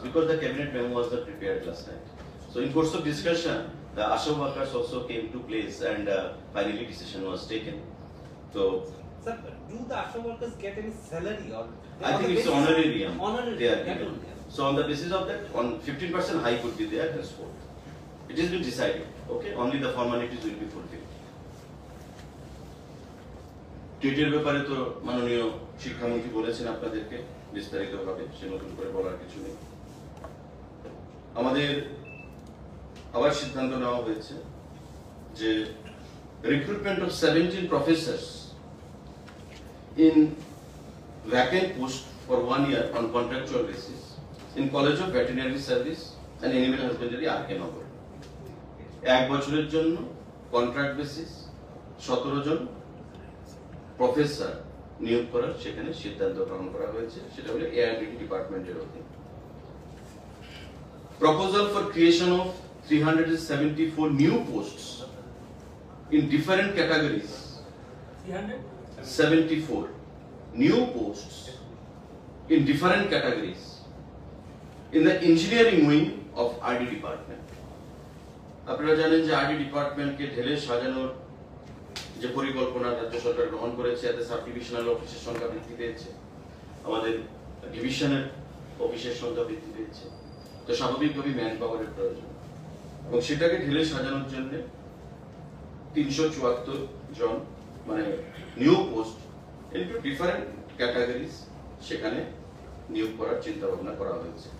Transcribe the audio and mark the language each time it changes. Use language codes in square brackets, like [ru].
[en] because the cabinet memo was not prepared last night. So in course of discussion, the Asha workers also came to place and finally decision was taken. So, sir, do the Asha workers get any salary or? I think it's honorarium. Honorarium. So on the basis of that, on 15% high could be there henceforth. It has been decided. Okay, only the formalities will be fulfilled. [bn] টুইটের ব্যাপারে তো মাননীয় শিক্ষামন্ত্রী বলেছেন আপনাদেরকে বিস্তারিতভাবে, সে নতুন করে বলার কিছু নেই। আমাদের আবার সিদ্ধান্ত নেওয়া হয়েছে যে [en] recruitment of 17 professor in vacant post for one year on contractual basis in college of veterinary service and animal husbandry R K Nagar, [bn] এক বছরের জন্য কন্ট্রাক্ট বেসিস 17 জন প্রফেসর নিয়োগ করার সেখানে সিদ্ধান্ত গ্রহণ করা হয়েছে। সেটা হলো এআইডিটি ডিপার্টমেন্টের অধীনে [en] Proposal for creation of 374 new posts in different categories 374 new পোস্টস in different categories in the engineering wing of RD department. [bn] আপনারা জানেন যে আরডি ডিপার্টমেন্টকে ঢেলে সাজানোর যে পরিকল্পনা রাজ্য সরকার গ্রহণ করেছে, এতে সাব ডিভিশনাল অফিসের সংখ্যা বৃদ্ধি পেয়েছে, আমাদের ডিভিশনের অফিসের সংখ্যা বৃদ্ধি পেয়েছে, তো স্বাভাবিকভাবেই ম্যান পাওয়ারের প্রয়োজন। এবং সেটাকে ঢেলে সাজানোর জন্য 374 জন মানে [en] new post in two different categories [bn] সেখানে নিয়োগ করার চিন্তা ভাবনা করা হয়েছে।